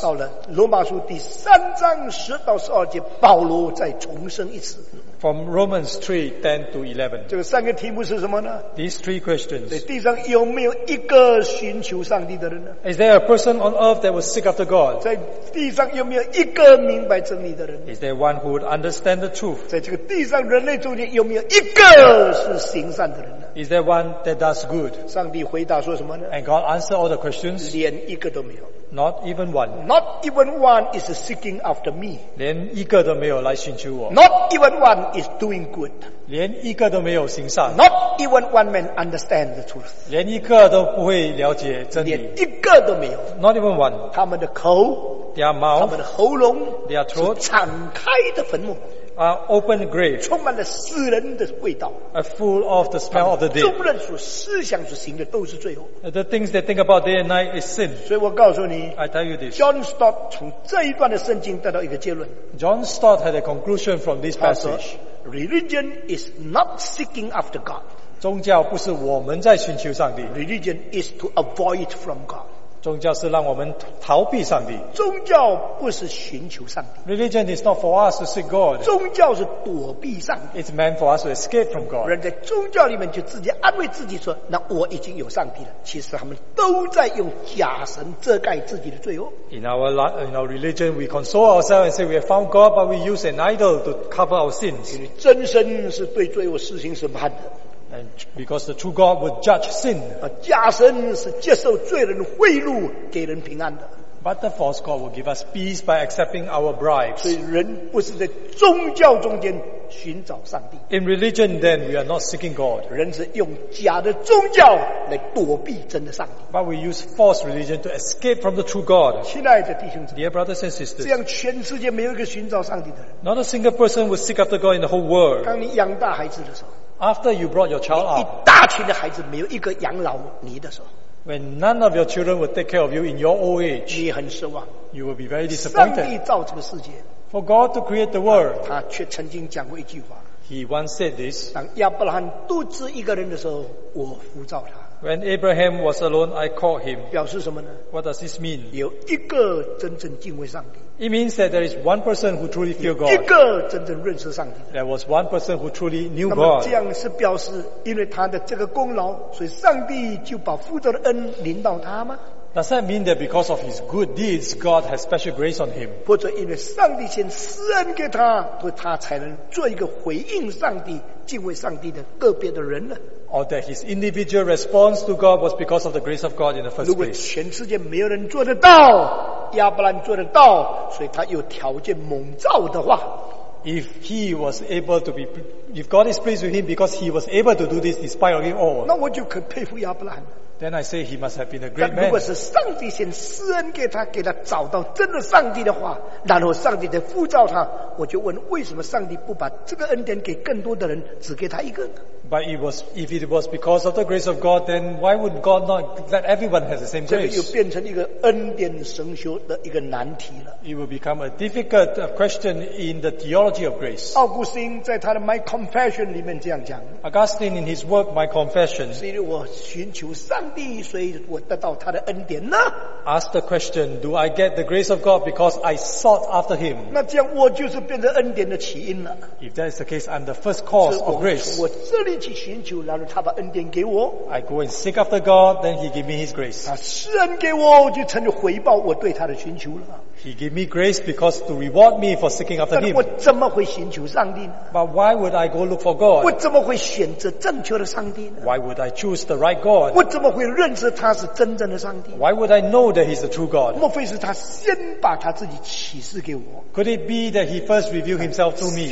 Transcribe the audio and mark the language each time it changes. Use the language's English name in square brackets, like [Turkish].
[Chinese] 到了罗马书第三章十到十二节，保罗再重申一次。 [English] From Romans 3:10-11. [Chinese] 这个三个题目是什么呢？ [English] These three questions. [Chinese] 在地上有没有一个寻求上帝的人呢？ [English] Is there a person on earth that will seek after God? [Chinese] 在地上有没有一个明白真理的人？ [English] Is there one who would understand the truth? [Chinese] 在这个地上人类中间有没有一个是行善的人呢？ [English] Is there one that does good? [Chinese] 上帝回答说什么呢？ [English] And God answered all the questions. [Chinese] 连一个都没有。 [English] Not even one. Not even one is seeking after me. [Chinese] 连一个都没有来寻求我。 [English] Not even one is doing good. [Chinese] 连一个都没有行善。 [English] Not even one man understands the truth. [Chinese] 连一个都不会了解真理。连一个都没有。 [English] Not even one. [Chinese] 他们的口。 [English] Their mouth. [Chinese] 他们的喉咙。 [English] Their throat. [Chinese] 是敞开的坟墓。 [English] Are open grave. [Chinese] 充满了死人的味道。 [English] Are full of the smell of the dead. [Chinese] 他们众人所思想所行的都是罪恶。 [English] The things they think about day and night is sin. [Chinese] 所以我告诉你。 [English] I tell you this. [Chinese] John Stott 从这一段的圣经得到一个结论。 [English] John Stott had a conclusion from this passage. Religion is not seeking after God. [Chinese] 宗教不是我们在寻求上帝。 [English] Religion is to avoid from God. [Chinese] 宗教是让我们逃避上帝。宗教不是寻求上帝。 [English] Religion is not for us to seek God. [Chinese] 宗教是躲避上帝。 [English] It's meant for us to escape from God. [Chinese] 人在宗教里面就自己安慰自己说，那我已经有上帝了。其实他们都在用假神遮盖自己的罪恶。 [English] In our religion, we console ourselves and say we have found God, but we use an idol to cover our sins. [Chinese] 因为真神是对罪恶施行审判的。 [English] And because the true God would judge sin. [Chinese] 假神是接受罪人贿赂给人平安的。 [English] But the false God will give us peace by accepting our bribes. [Chinese] 所以人不是在宗教中间寻找上帝。 [English] In religion then we are not seeking God. [Chinese] 人是用假的宗教来躲避真的上帝。 [English] But we use false religion to escape from the true God. [Chinese] 亲爱的弟兄姊妹。 [English] Dear brothers and sisters. [Chinese] 这样全世界没有一个寻找上帝的人。 [English] Not a single person will seek after God in the whole world. [Chinese] 当你养大孩子的时候。 [English] After you brought your child up, [Chinese] 一大群的孩子没有一个养老你的时候 [English] ，When none of your children will take care of you in your old age, [Chinese] 你很失望 [English] ，You will be very disappointed. [Chinese] 上帝造这个世界 [English] ，For God to create the world, [Chinese] 他却曾经讲过一句话 [English] ，He once said this. [Chinese] 当亚伯拉罕独自一个人的时候，我呼召他。 [English] When Abraham was alone, I called him. [Chinese] 表示什么呢 [English] ？What does this mean? [Chinese] 有一个真正敬畏上帝。 [English] It means that there is one person who truly feared God. [Chinese] 一个真正认识上帝。 [English] There was one person who truly knew God. [Chinese] 那么这样是表示，因为他的这个功劳，所以上帝就把福德的恩临到他吗？ [English] Does that mean that because of his good deeds, God has special grace on him? [Chinese] 或者因为上帝先施恩给他，所以他才能做一个回应上帝、敬畏上帝的个别的人呢？ [English] Or that his individual response to God was because of the grace of God in the first place? [Chinese] 如果全世界没有人做得到，亚伯兰做得到，所以他有条件蒙召的话。 [English] If he was able to be, if God is pleased with him because he was able to do this despite of him all, now what you could pay for Abraham? Then I say he must have been a great man. [Chinese] 如果是上帝先施恩给他，给他找到真的上帝的话，然后上帝再呼召他，我就问为什么上帝不把这个恩典给更多的人，只给他一个呢？ [English] But it was, if it was because of the grace of God, then why would God not let everyone have the same grace? [Chinese] 这个又变成一个恩典神学的一个难题了。 [English] It will become a difficult question in the theology of grace. [Chinese] 奥古斯丁在他的 My Confession 里面这样讲。 [English] Augustine in his work My Confession. [Chinese] 所以我寻求上帝，所以我得到他的恩典呢？ [English] Ask the question, do I get the grace of God because I sought after him? [Chinese] 那这样我就是变成恩典的起因了。 [English] If that is the case, I'm the first cause of grace. [Chinese] 我这里去寻求，然后他把恩典给我。 [English] I go and seek after God, then he gave me his grace. [Chinese] 他施恩给我，就成就回报我对他的寻求了。 [English] He gave me grace because to reward me for seeking after him. [Chinese] 我怎么会寻求上帝呢？ [English] But why would I go look for God? [Chinese] 我怎么会选择正确的上帝呢？ [English] Why would I choose the right God? [Chinese] 我怎么会认识他是真正的上帝？ [English] Why would I know that he's the true God? [Chinese] 莫非是他先把他自己启示给我？ [English] Could it be that he first revealed himself to me?